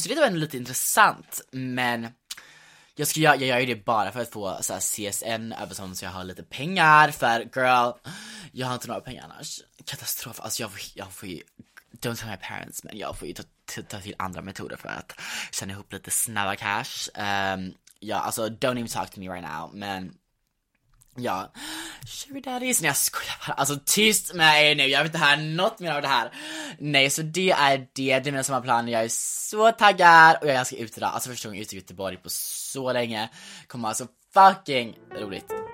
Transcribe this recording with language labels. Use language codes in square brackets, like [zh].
[sv] Så det var ändå lite intressant, men jag gör ju det bara för att få så här CSN över sånt, så jag har lite pengar. För girl, jag har inte några pengar annars. Katastrof. Alltså jag får ju, [en] don't tell my parents, [sv] men jag får ju ta till andra metoder för att tjäna ihop lite snabba cash. Ja, alltså [en] don't even talk to me right now. [sv] Men ja, sugar daddies. Nej, jag skojar bara. Alltså tyst med er nu, jag vet inte här något mer av det här. Nej, så det är det. Det är mina sommarplaner. Jag är så taggad och jag är ganska ute idag. Alltså första gången ute i Göteborg på så länge. Kommer alltså fucking roligt.